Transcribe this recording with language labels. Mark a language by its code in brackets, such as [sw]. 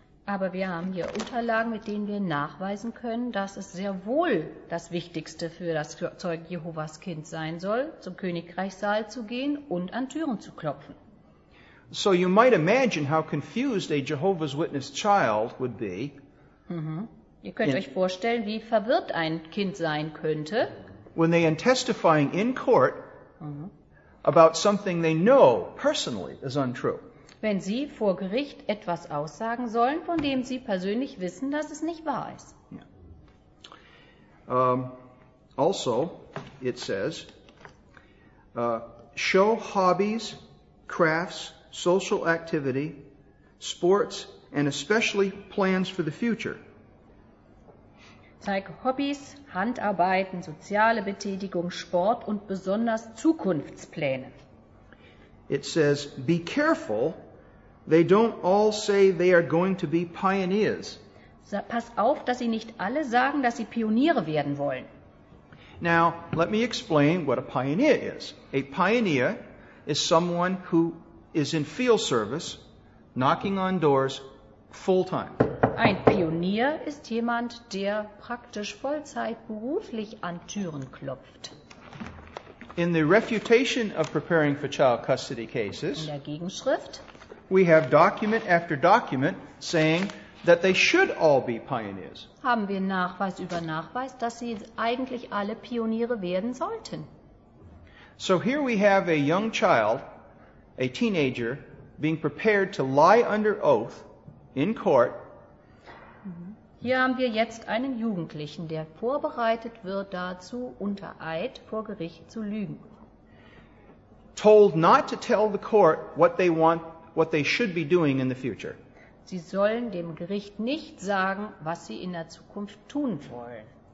[de] Aber wir haben hier Unterlagen, mit denen wir nachweisen können, dass es sehr wohl das Wichtigste für das Zeugen Jehovas Kind sein soll, zum Königreichssaal zu gehen und an Türen zu klopfen. [en] So you might imagine how confused a Jehovah's Witness child would be. Mm-hmm. [de] Ihr könnt euch vorstellen, wie verwirrt ein Kind sein könnte, [en] when they are testifying in court about something they know personally is untrue. [de] Wenn sie vor Gericht etwas aussagen sollen, von dem sie persönlich wissen, dass es nicht wahr ist. Yeah. [en] Also, it says, show hobbies, crafts, social activity, sports, and especially plans for the future. [de] Zeig Hobbys, Handarbeiten, soziale Betätigung, Sport und besonders Zukunftspläne. [en] It says, be careful, they don't all say they are going to be pioneers. [de] Pass auf, dass sie nicht alle sagen, dass sie Pioniere werden wollen. [en] Now, let me explain what a pioneer is. A pioneer is someone who is in field service, knocking on doors full time. [de] Ein Pionier ist jemand, der praktisch Vollzeit beruflich an Türen klopft. [en] In the refutation of preparing for child custody cases, [de] in der Gegenschrift, [en] we have document after document saying that they should all be pioneers. [de] Haben wir Nachweis über Nachweis, dass sie eigentlich alle Pioniere werden sollten. [en] So here we have a young child, a teenager, being prepared to lie under oath in court. [de] Hier haben wir jetzt einen Jugendlichen, der vorbereitet wird dazu, unter Eid vor Gericht zu lügen. [en] Told not to tell the court what they want, what they should be doing in the future. [de] Sie sollen dem Gericht nicht sagen, was sie in der Zukunft tun wollen.